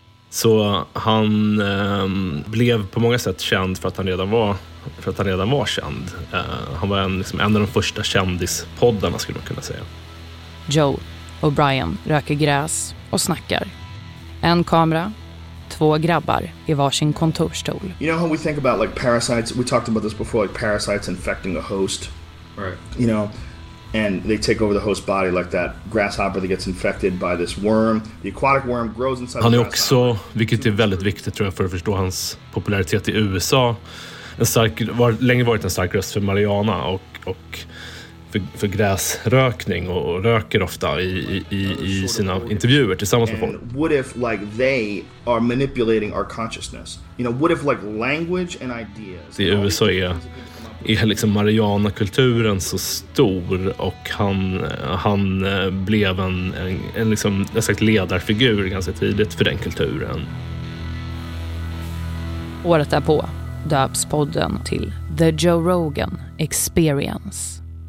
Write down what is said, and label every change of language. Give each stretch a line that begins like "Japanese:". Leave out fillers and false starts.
Swedish: Så han blev på många sätt känd för att han redan var känd. Han var en av de första kändispoddarna skulle man kunna säga. Joe och Brian röker gräs och snackar. En kamera, två grabbar i varsin kontorstol.
English: You know how we think about like parasites? We talked about this before, like parasites infecting a host. Right. You know, and they take over the host body like that grasshopper that gets infected by this worm. The aquatic worm grows inside.
Swedish: Han är också, vilket är väldigt viktigt tror jag för att förstå hans popularitet i USA, länge varit en stark röst för marijuana och för gräsrökning och röker ofta i sina intervjuer tillsammans med folk.
English: What if like they are manipulating our consciousness? You know, what if like language and ideas?
Swedish: I USA är liksom marijuanakulturen så stor och han blev en liksom jag sagt ledarfigur ganska tidigt för den kulturen. Året därpå döps podden till The Joe Rogan Experience.